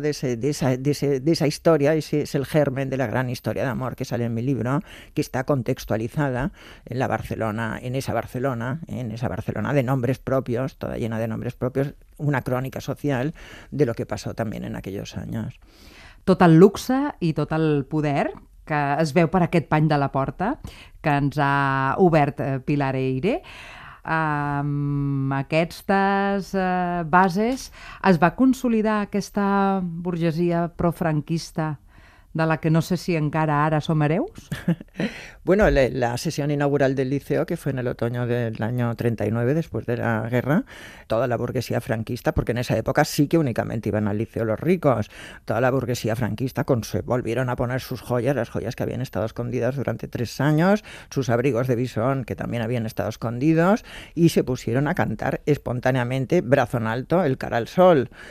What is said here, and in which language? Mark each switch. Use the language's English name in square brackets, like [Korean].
[Spanish] de esa historia, ese es el germen de la gran historia de amor que sale en mi libro, que está contextualizada en la Barcelona, en esa Barcelona de nombres propios, toda llena de nombres propios, una crónica social de lo que pasó también en aquellos años. [Catalan] Tot el luxe i tot el poder que es veu per aquest pany de la porta que ens ha obert Pilar Eire, amb aquestes bases es va consolidar aquesta burgesia profranquista de la que no sé si encara ara som hereus? [Spanish] Bueno, la sesión inaugural del Liceo, que fue en el otoño del año 39, después de la guerra, toda la burguesía franquista, porque en esa época sí que únicamente iban al Liceo los ricos, toda la burguesía franquista volvieron a poner sus joyas, las joyas que habían estado escondidas durante 3 años, sus abrigos de visón, que también habían estado escondidos, y se pusieron a cantar espontáneamente, brazo en alto, El cara al sol.